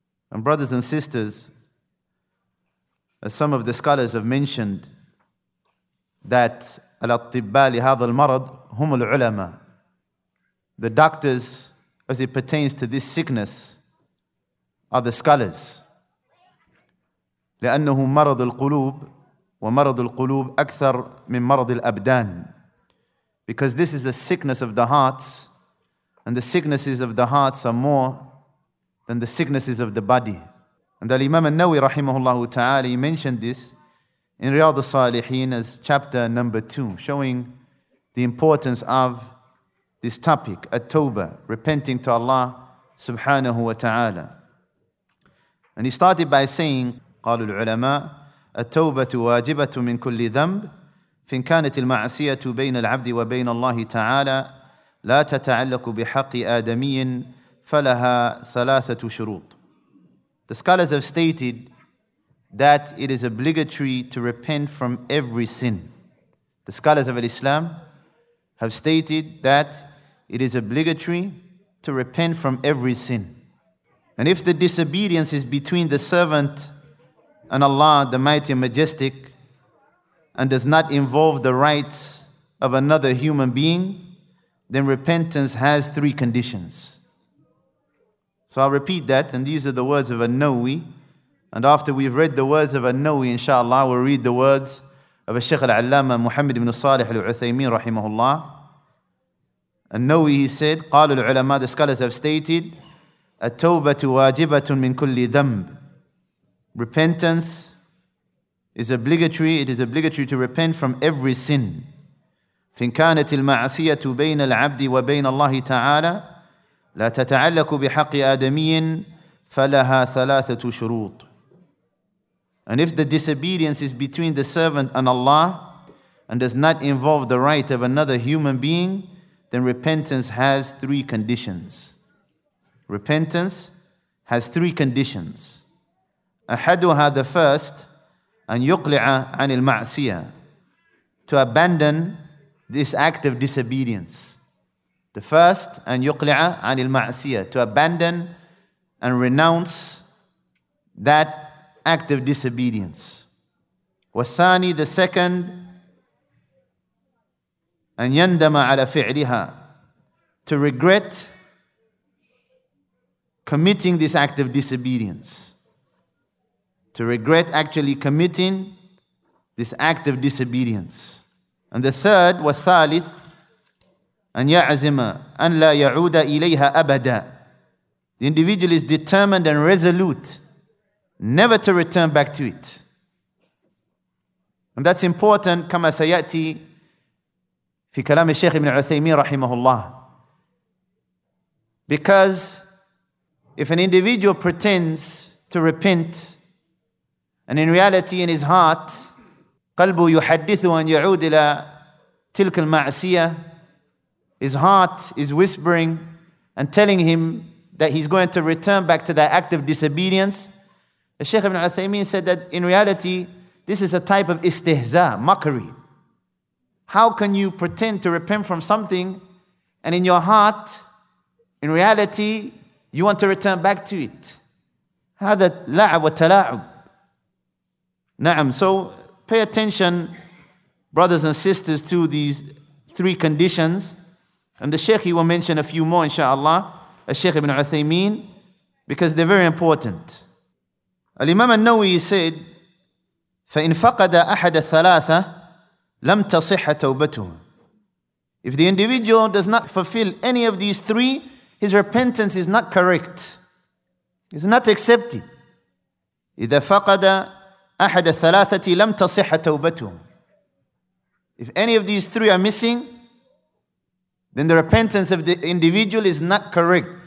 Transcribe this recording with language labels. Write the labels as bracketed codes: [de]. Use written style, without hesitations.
[en] And brothers and sisters, as some of the scholars have mentioned, that al-attibba li hadha al-marad hum al-ulama, the doctors as it pertains to this sickness are the scholars. [ar] لأنه مرض القلوب ومرض القلوب أكثر من مرض الأبدان. [en] Because this is a sickness of the hearts, and the sicknesses of the hearts are more than the sicknesses of the body. And Al-Imam An-Nawawi rahimahullah ta'ala, he mentioned this in Riyadh al-Saliheen as chapter number 2, showing the importance of this topic, at-tawbah, repenting to Allah subhanahu wa ta'ala. [ar] And he started by saying, قال العلماء التوبة واجبة من كل ذنب فإن كانت المعصية بين العبد وبين الله تعالى لا تتعلق بحق آدمي فلها ثلاثة شروط. [en] The scholars have stated that it is obligatory to repent from every sin. The scholars of Islam have stated that it is obligatory to repent from every sin. And if the disobedience is between the servant and Allah, the Mighty and Majestic, and does not involve the rights of another human being, then repentance has three conditions. So I'll repeat that, and these are the words of An-Nawawi. And after we've read the words of An-Nawawi, inshallah, we'll read the words of Shaykh al-Allama Muhammad ibn Salih al-Uthaymeen, rahimahullah. An-Nawawi, he said, قال العلماء, the scholars have stated, التوبة واجبة من كل ذنب. Repentance is obligatory. It is obligatory to repent from every sin. [ar] فإن كانت المعصية بين العبد وبين الله تعالى لا تتعلق بحق آدمي فلها ثلاثة شروط. [en] And if the disobedience is between the servant and Allah and does not involve the right of another human being, then repentance has three conditions. Repentance has three conditions. أحدها, the first, أن يقلع عن المعصية, to abandon this act of disobedience. The first, أن يقلع عن المعصية, to abandon and renounce that act of disobedience. والثاني, the second, أن يندم على فعلها, to regret committing this act of disobedience. To regret actually committing this act of disobedience. [ar] And the third, والثالث, أن يعزم أن لا يعود إليها أبدا. [en] The individual is determined and resolute never to return back to it. [ar] And that's important, كما سيأتي في كلام الشيخ ابن عثيمين رحمه الله. [en] Because if an individual pretends to repent, and in reality, in his heart, قلبه يحدث أن يعود إلى تلك المعصية, His heart is whispering and telling him that he's going to return back to that act of disobedience. Shaykh ibn Uthaymeen said that in reality, this is a type of istihza, mockery. How can you pretend to repent from something and in your heart, in reality, you want to return back to it? [ar] هذا لعب وتلاعب. نعم. [en] So pay attention, brothers and sisters, to these three conditions. And the Shaykh, he will mention a few more, inshallah, Shaykh ibn Uthaymeen, because they're very important. [ar] Al-Imam al-Nawi said, فَإِن فَقَدَ أَحَدَ الثَّلَاثَ لَمْ تَصِحَ تَوْبَتُهُ. [en] If the individual does not fulfill any of these three, his repentance is not correct. [ar] It's not accepted. إِذَا فَقَدَ أَحَدَ الثَّلَاثَةِ لَمْ تَصِحَ تَوْبَتُهُ. [en] If any of these three are missing, then the repentance of the individual is not correct.